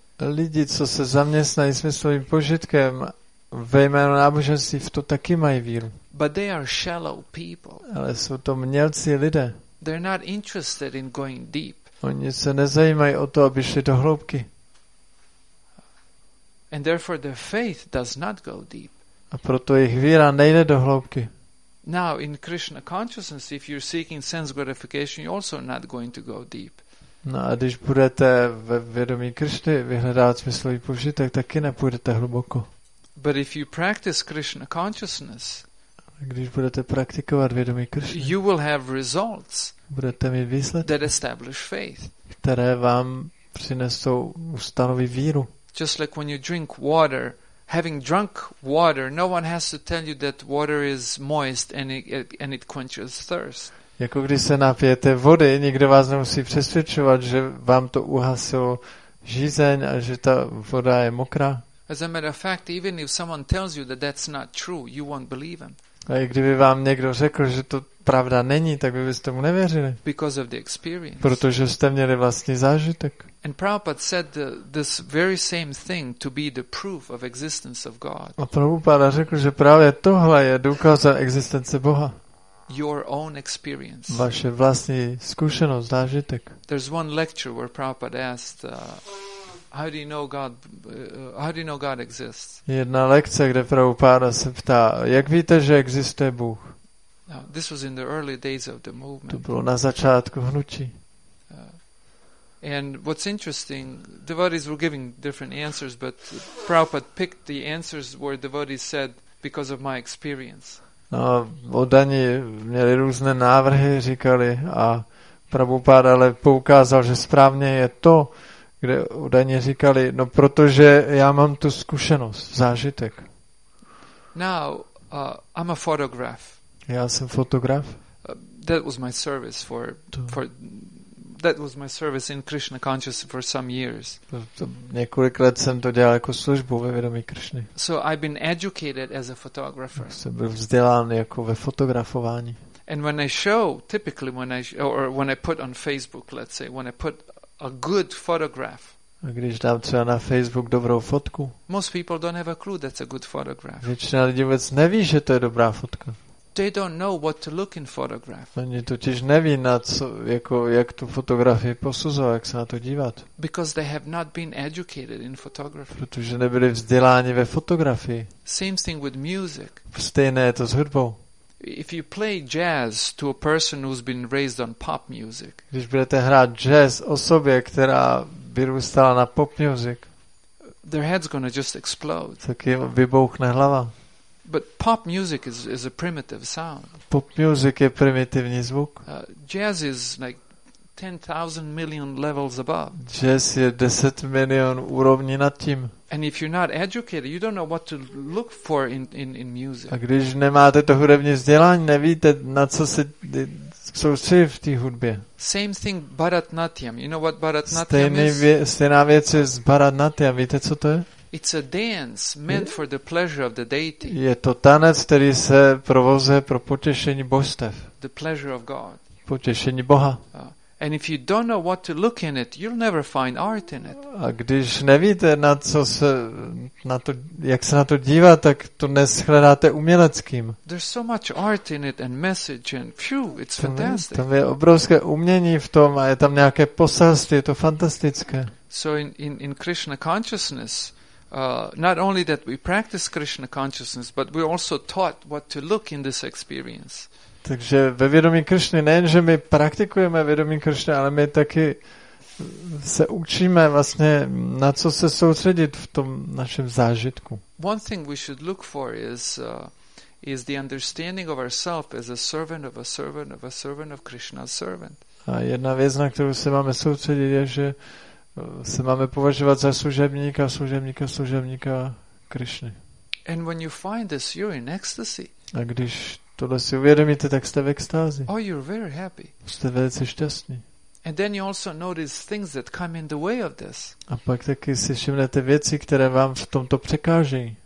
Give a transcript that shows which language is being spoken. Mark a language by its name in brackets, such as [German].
[Czech] Lidi, co se zaměstnají smyslovým požitkem ve jménu náboženství, v to taky mají víru. [English] But they are shallow people. [Czech] Ale jsou to mělcí lidé. [English] They're not interested in going deep. [Czech] Oni se nezajímají o to, aby šli do hloubky. [English] And therefore their faith does not go deep. [Czech] A proto jejich víra nejde do hloubky. [English] Now in Krishna consciousness, if you're seeking sense gratification, you're also not going to go deep. [Czech] No a když budete ve vědomí Krišny vyhledávat smyslový požitek, taky nepůjdete hluboko. [English] But if you practice Krishna consciousness, [Czech] když budete praktikovat vědomí Krišny, [English] you will have results, [Czech] budete mít výsledky, [English] that establish faith, [Czech] které vám přinesou, ustanoví víru. [English] Just like when you drink water, having drunk water, no one has to tell you that water is moist and it quenches thirst. [Czech] Jako když se napijete vody, nikdo vás nemusí přesvědčovat, že vám to uhasilo žízeň a že ta voda je mokrá. [English] As a matter of fact, even if someone tells you that that's not true, you won't believe him. [Czech] A i kdyby vám někdo řekl, že to pravda není, tak by byste mu nevěřili. [English] Because of the experience. [Czech] Protože jste měli vlastní zážitek. [English] And Prabhupada said this very same thing to be the proof of existence of God. [Czech] A Prabhupada řekl, že právě tohle je důkaz existence Boha. [English] Your own experience. [Czech] Vaše vlastní zkušenost, zážitek. [English] There's one lecture where Prabhupada asked, how do you know God? How do you know God exists? [Czech] Jedna lekce, kde Prabhupada se ptá, jak víte, že existuje Bůh? [English] Now, this was in the early days of the movement. [Czech] To bylo na začátku hnutí. [English] And what's interesting, devotees were giving different answers, but Prabhupada picked the answers where devotees said, because of my experience. [Czech] No, oddaní měli různé návrhy, říkali, a Prabhupada ale poukázal, že správně je to, kde oddaní říkali, no protože já mám tu zkušenost, zážitek. [English] Now, I'm a photograph. [Czech] Já jsem fotograf. [English] That was my service for that was my service in Krishna consciousness for some years. [Czech] Několik let jsem to dělal jako službu ve vědomí Krišny. [English] So I've been educated as a photographer. [Czech] Jsem byl vzdělán jako ve fotografování. [English] And when I show, typically when I or when I put on Facebook, let's say, when I put a good photograph. [Czech] A když dám třeba na Facebook dobrou fotku. [English] Most people don't have a clue that's a good photograph. [Czech] Většina lidí vůbec neví, že to je dobrá fotka. [English] They don't know what to look in photograph. [Czech] Oni totiž neví, na co, jako, jak tu fotografii posuzovat, jak se na to dívat. [English] Because they have not been educated in photography. [Czech] Protože nebyli vzděláni ve fotografii. [English] Same thing with music. [Czech] Stejné je to s hudbou. [English] If you play jazz to a person who's been raised on pop music. [Czech] Když budete hrát jazz osobě, která vyrůstala na pop music. [English] Their head's gonna just explode. [Czech] Tak jim vybouchne hlava. [English] But pop music is a primitive sound. [Czech] Pop music je primitivní zvuk. [English] Jazz is like 10,000 million levels above. [Czech] Jazz je 10 milion úrovní nad tím. [English] And if you're not educated, you don't know what to look for in music. [Czech] A když nemáte to hudební vzdělání, nevíte, na co se soustředit v té hudbě. [English] Same thing Bharatnatyam. You know what Bharatnatyam is? [Czech] Stejná věc je s Bharatnatyam. Víte, co to je? [English] It's a dance meant for the pleasure of the deity. [Czech] Je to tanec, který se provozuje pro potěšení božstev. [English] The pleasure of God. [Czech] Potěšení Boha. [English] And if you don't know what to look in it, you'll never find art in it. [Czech] A když nevíte, na co se na to, jak se na to dívat, tak to neshledáte uměleckým. [English] There's so much art in it and message and phew, it's fantastic. [Czech] Tam je obrovské umění v tom a je tam nějaké poselství, je to fantastické. [English] So in Krishna consciousness, not only that we practice Krishna consciousness, but we also taught what to look in this experience. [Czech] Takže ve vědomí Krišny nejenže my praktikujeme vědomí Krišny, ale my taky se učíme vlastně na co se soustředit v tom našem zážitku. [English] One thing we should look for is the understanding of ourselves as a servant of a servant of a servant of Krishna's servant. [Czech] A jedna věc, na kterou se máme soustředit, je, že se máme považovat za služebníka, služebníka, služebníka Krišny. [English] And when you find this, you're in ecstasy. [Czech] A když tohle si uvědomíte, tak jste v extázi. [English] Oh, you're very happy. [Czech] Jste velice šťastní. [English] And then you also notice things that come in the way of this. [Czech] A pak taky si všimnete věci, které vám v tomto překážejí.